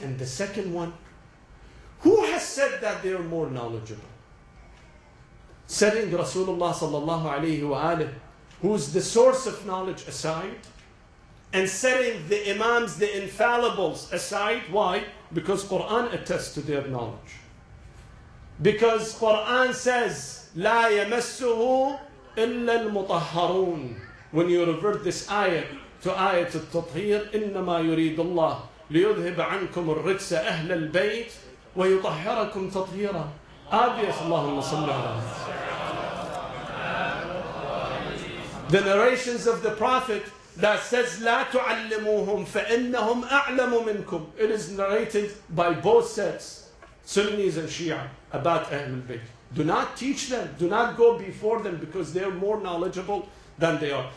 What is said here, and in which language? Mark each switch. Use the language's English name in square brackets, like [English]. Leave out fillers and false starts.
[English] And the second one, who has said that they are more knowledgeable? Setting Rasulullah sallallahu alayhi wa alayhi, who is the source of knowledge, aside, and setting the Imams, the infallibles, aside. Why? Because Quran attests to their knowledge. Because Quran says, [Arabic] لا يمسه إلا المطهرون. [English] When you revert this ayah to ayat al-tathir, [Arabic] إِنَّمَا يُرِيدُ اللَّهُ لِيُذْهِبَ عَنْكُمُ الرِّجْسَ أَهْلَ الْبَيْتِ وَيُطَهِّرَكُمْ تَطْهِيرًا آبِيَةً. اللَّهُمَّ صَلَّى اللَّهُ عَلَيْهِ وَسَلَّمَ. [English] The narrations of the Prophet that says, [Arabic] لَا تُعَلِّمُوهُمْ فَإِنَّهُمْ أَعْلَمُ مِنْكُمْ. [English] It is narrated by both sets, Sunnis and Shia, about Ahlul al-Bayt. Do not teach them, do not go before them, because they are more knowledgeable than they are.